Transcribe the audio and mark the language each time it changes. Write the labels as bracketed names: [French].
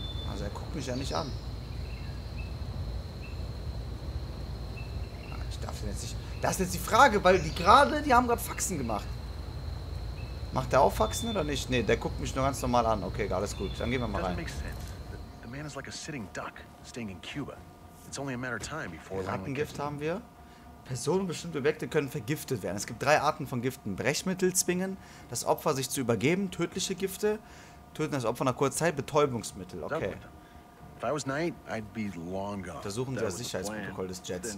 [German] Also er guckt mich ja nicht an. Ich darf den jetzt nicht... Das ist jetzt die Frage, weil die gerade, die haben gerade Faxen gemacht. Macht der auch Faxen oder nicht? Nee, der guckt mich nur ganz normal an. Okay, alles gut. Dann gehen wir mal rein. [English] The man is like a sitting duck, staying in Cuba. It's only a matter of time before... [German] Rattengift haben wir. Personen und bestimmte Objekte können vergiftet werden. Es gibt 3 Arten von Giften. Brechmittel zwingen, das Opfer sich zu übergeben, tödliche Gifte, töten das Opfer nach kurzer Zeit, Betäubungsmittel. Okay. Untersuchen Sie das Sicherheitsprotokoll des Jets.